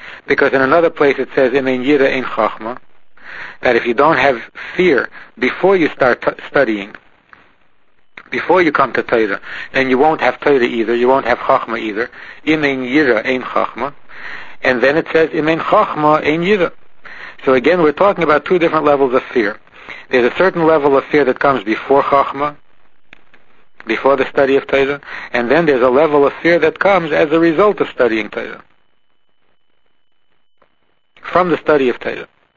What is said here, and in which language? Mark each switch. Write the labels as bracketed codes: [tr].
[en] Because in another place it says, [he] Imein yirah in chochma, [en] that if you don't have fear before you start studying, before you come to Torah, and you won't have Torah either, you won't have Chachma either. [he] Im ein Yira, ein Chachma. [en] And then it says, [he] Im ein Chachma, ein Yira. [en] So again, we're talking about two different levels of fear. There's a certain level of fear that comes before Chachma, before the study of Torah, and then there's a level of fear that comes as a result of studying Torah, from the study of Torah.